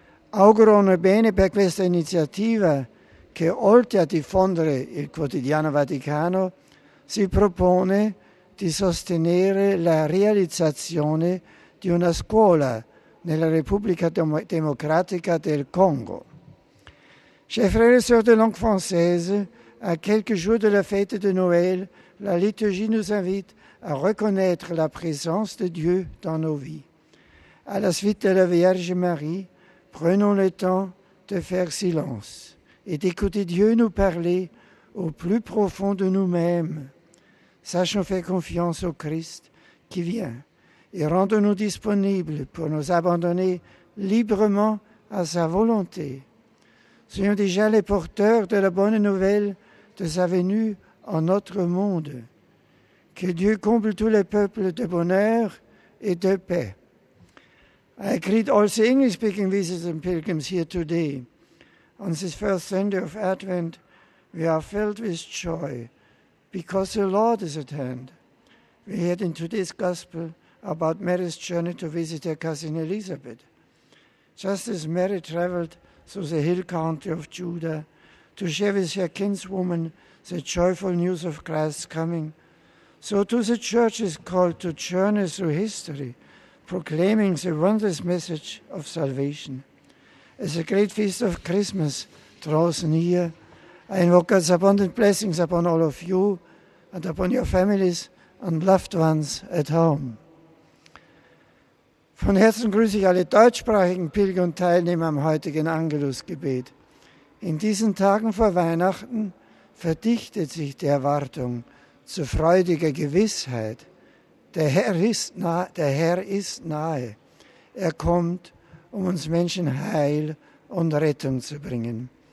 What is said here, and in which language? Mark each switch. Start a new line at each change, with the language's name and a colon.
Italian: Auguro un bene per questa iniziativa che oltre a diffondere il quotidiano Vaticano si propone di sostenere la realizzazione di una scuola nella Repubblica Democratica del Congo.
French: Chez frères et sœurs de langue française, à quelques jours de la fête de Noël, la liturgie nous invite à reconnaître la présence de Dieu dans nos vies. À la suite de la Vierge Marie, prenons le temps de faire silence et d'écouter Dieu nous parler au plus profond de nous-mêmes. Sachons faire confiance au Christ qui vient et rendons-nous disponibles pour nous abandonner librement à sa volonté. Soyons déjà les porteurs de la bonne nouvelle de sa venue en notre monde. Que Dieu comble tous les peuples de bonheur et de paix.
English: I greet all the English-speaking visitors and pilgrims here today. On this first Sunday of Advent, we are filled with joy. Because the Lord is at hand. We heard in today's gospel about Mary's journey to visit her cousin Elizabeth. Just as Mary traveled through the hill country of Judah to share with her kinswoman the joyful news of Christ's coming, so too the church is called to journey through history, proclaiming the wondrous message of salvation. As the great feast of Christmas draws near, I invoke God's abundant blessings upon all of you and upon your families and loved ones at home.
German: Von Herzen grüße ich alle deutschsprachigen Pilger und Teilnehmer am heutigen Angelusgebet. In diesen Tagen vor Weihnachten verdichtet sich die Erwartung zu freudiger Gewissheit. Der Herr ist nahe. Er kommt, um uns Menschen Heil und Rettung zu bringen.